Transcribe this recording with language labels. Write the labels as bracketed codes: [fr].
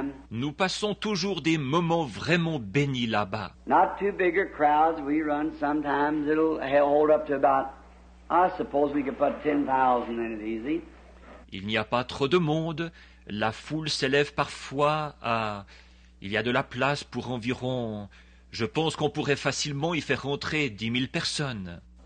[fr] Nous passons toujours des moments vraiment bénis là-bas. [en] Not too big a crowd, we run sometimes, it'll hold up to about, I suppose we could put 10,000 in it easy. [fr] Il n'y a pas trop de monde, la foule s'élève parfois à... Il y a de la place pour environ, je pense qu'on pourrait facilement y faire rentrer 10 000 personnes.